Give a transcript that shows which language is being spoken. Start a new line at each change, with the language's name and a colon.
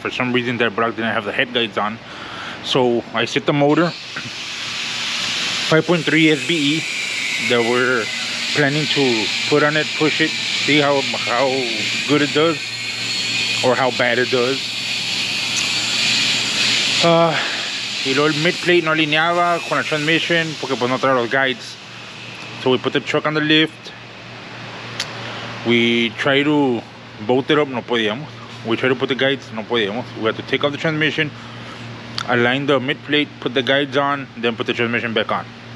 English: For some reason, that block didn't have the head guides on. So I set the motor. 5.3 SBE that we're planning to put on it, push it, see how good it does or how bad it does.
Spanish: Y luego el mid plate no alineaba con la transmission porque pues no trae los guides.
English: So we put the truck on the lift. We try to bolt it up,
Spanish: no podíamos.
English: We try to put the guides,
Spanish: no podíamos.
English: We had to take off the transmission, align the mid plate, put the guides on, then put the transmission back on.